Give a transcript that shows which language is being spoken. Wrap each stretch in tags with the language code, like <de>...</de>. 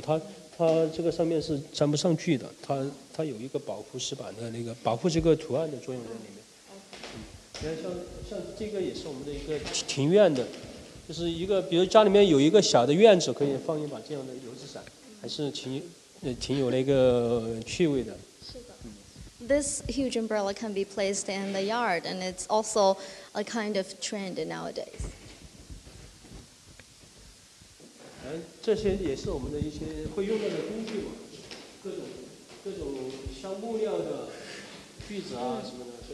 <zh>它这个上面是粘不上去的，它有一个保护石板的那个保护这个图案的作用在里面。像这个也是我们的一个庭院的，就是一个比如家里面有一个小的院子，可以放一把这样的油纸伞，还是挺有那个趣味的。</zh> <en>This huge umbrella can be placed in the yard, and it's also a kind of trend nowadays.</en> <zh>这些也是我们的一些会用到的工具嘛，各种像木料的锯子啊什么的，</zh>